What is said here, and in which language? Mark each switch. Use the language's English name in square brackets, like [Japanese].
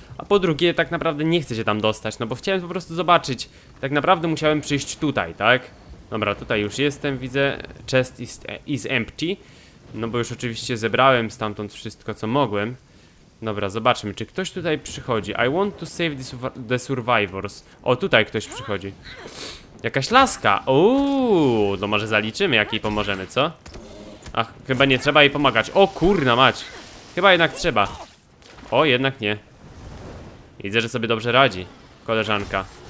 [Polish] A po drugie, tak naprawdę nie chcę się tam dostać, no bo chciałem po prostu zobaczyć. Tak naprawdę musiałem przyjść tutaj, tak? Dobra, tutaj już jestem, widzę, [English] chest is empty. [Polish] No bo już oczywiście zebrałem stamtąd wszystko, co mogłem. Dobra, zobaczmy, czy ktoś tutaj przychodzi. [English] I want to save the survivors. [Polish] O, tutaj ktoś przychodzi. Jakaś laska. Uuu, no może zaliczymy, jak jej pomożemy, co? Ach, chyba nie trzeba jej pomagać. O, kurna mać. Chyba jednak trzeba. O, jednak nie. Widzę, że sobie dobrze radzi koleżanka.